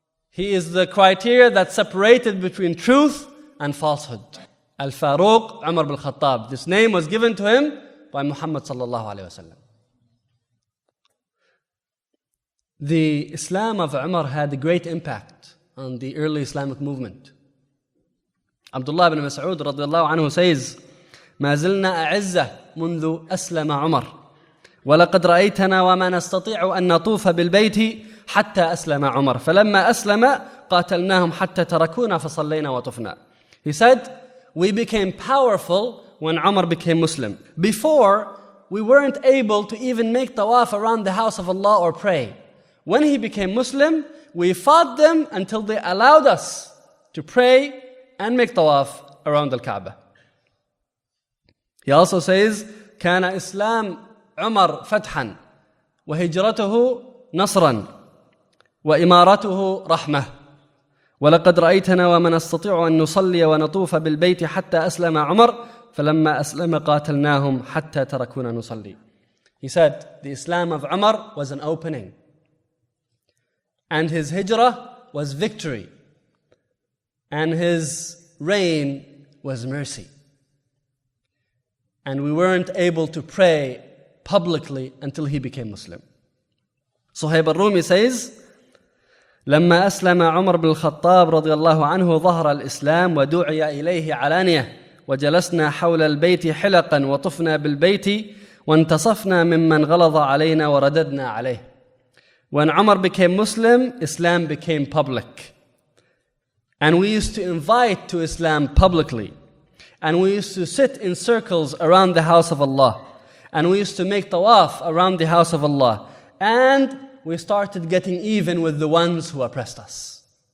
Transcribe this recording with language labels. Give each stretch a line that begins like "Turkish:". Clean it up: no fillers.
English: He is the criteria that separated between truth and falsehood. Al-Faruq, Umar bin Khattab. This name was given to him by Muhammad sallallahu alayhi wasallam. The Islam of Umar had a great impact on the early Islamic movement. Abdullah ibn Mas'ud radiallahu anhu says,
Arabic: مَا زِلْنَا أَعِزَّةٌ مُنْذُ أَسْلَمَ عُمَرٌ وَلَقَدْ رَأَيْتَنَا وَمَا نَسْتَطِيعُ أَنْ نَطُوفَ بِالْبَيْتِ حَتَّى أَسْلَمَ عُمَرٌ فَلَمَّا أَسْلَمَ قَاتَلْنَاهُمْ حَتَّى تَرَكُونَا فَصَلَّيْنَا وَطُفْنَا.
English: He said, we became powerful when Umar became Muslim. Before, we weren't able to even make tawaf around the house of Allah or pray. When he became Muslim, we fought them until they allowed us to pray and make tawaf around Al-Kaaba. He also says,
Arabic: كان إسلام عمر فتحا وهجرته نصرا وإمارته رحمة ولقد رأيتنا ومن استطيع أن نصلي ونطوف بالبيت حتى أسلم عمر فلما أسلم قاتلناهم حتى تركونا نصلي.
English: He said, the Islam of Umar was an opening. And his hijrah was victory. And his reign was mercy. And we weren't able to pray publicly until he became Muslim. Suhayb al-Rumi says,
Arabic: لما أسلم عمر بن الخطاب رضي الله عنه ظهر الإسلام ودعي إليه علانية وجلسنا حول البيت حلقا وطفنا بالبيت وانتصفنا ممن غلظ علينا ورددنا عليه.
English: When Umar became Muslim, Islam became public. And we used to invite to Islam publicly. And we used to sit in circles around the house of Allah. And we used to make tawaf around the house of Allah. And we started getting even with the ones who oppressed us.